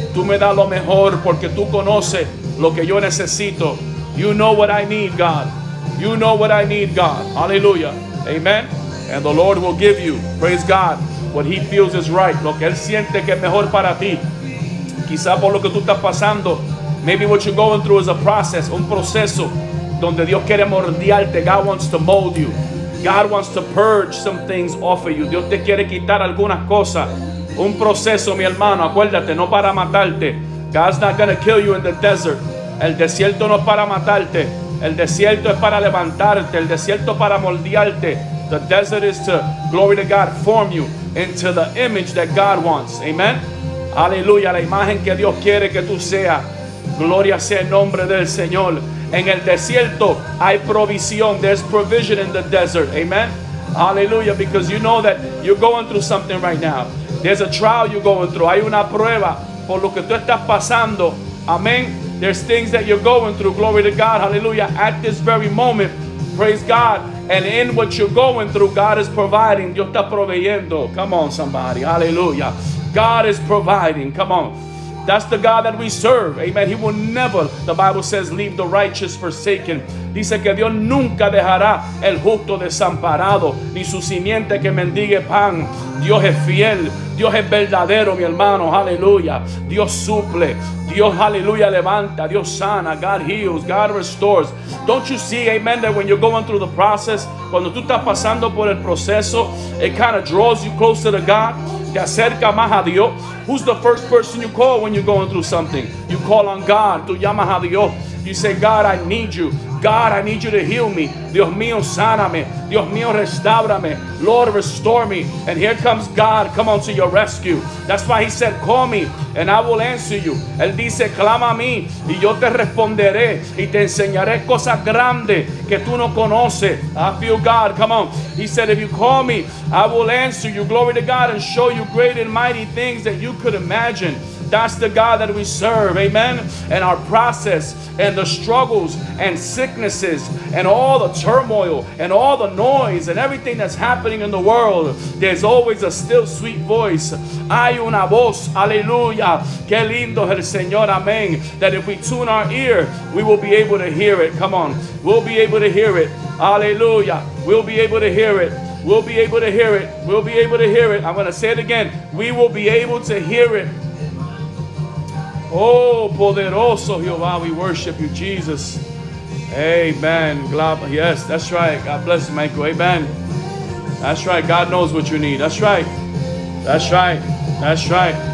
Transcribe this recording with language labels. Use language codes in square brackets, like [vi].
[es] Tú me das lo mejor porque tú conoces lo que yo necesito. [en] You know what I need, God. You know what I need, God. Hallelujah. Amen. And the Lord will give you. Praise God. What he feels is right. [es] Lo que él siente que es mejor para ti. Quizá por lo que tú estás pasando. [en] Maybe what you're going through is a process. [es] Un proceso. Donde Dios quiere moldearte. [en] God wants to mold you. God wants to purge some things off of you. [es] Dios te quiere quitar algunas cosas. Un proceso, mi hermano. Acuérdate, no para matarte. [en] God's not going to kill you in the desert. [es] El desierto no es para matarte. El desierto es para levantarte. El desierto para moldearte. [en] The desert is to, glory to God, form you into the image that God wants. Amen. Aleluya. [es] La imagen que Dios quiere que tú seas. Gloria sea el nombre del Señor. En el desierto hay provisión. [en] There's provision in the desert. Amen. Aleluya. Because you know that you're going through something right now. There's a trial you're going through. [es] Hay una prueba por lo que tú estás pasando. [en] Amen. There's things that you're going through. Glory to God. Hallelujah. At this very moment. Praise God. And in what you're going through, God is providing. [es] Dios está proveyendo. [en] Come on, somebody. Hallelujah. God is providing. Come on. That's the God that we serve. Amen. He will never, the Bible says, leave the righteous forsaken. [es] Dice que Dios nunca dejará el justo desamparado, ni su simiente que mendigue pan. Dios es fiel. Dios es verdadero, mi hermano. Aleluya. Dios suple. Dios, aleluya, levanta. Dios sana. [en] God heals. God restores. Don't you see, amen, that when you're going through the process, [es] cuando tú estás pasando por el proceso, [en] it kind of draws you closer to God. [es] Te acerca más a Dios. [en] Who's the first person you call when you're going through something? You call on God. [es] Tú llamas a Dios. [en] You say, God, I need you. God, I need you to heal me. [es] Dios mío, sáname. Dios mío, restáurame. [en] Lord, restore me. And here comes God. Come on to your rescue. That's why he said, call me and I will answer you. Él dice, clama a mí y yo te responderé y te enseñaré cosas grandes que tú no conoces. I feel God. Come on. He said, if you call me, I will answer you. Glory to God and show you great and mighty things that you could imagine. That's the God that we serve, amen? And our process and the struggles and sicknesses and all the turmoil and all the noise and everything that's happening in the world, there's always a still sweet voice. [es] Hay una voz, aleluya, que lindo el Señor, amen. [en] That if we tune our ear, we will be able to hear it. Come on, we'll be able to hear it. Aleluya, we'll be able to hear it. We'll be able to hear it. We'll be able to hear it. I'm going to say it again. We will be able to hear it. [es] Oh, poderoso Jehová, [en] we worship you, Jesus. Amen. Yes, that's right. God bless you, Michael. Amen. That's right. God knows what you need. That's right. That's right. That's right.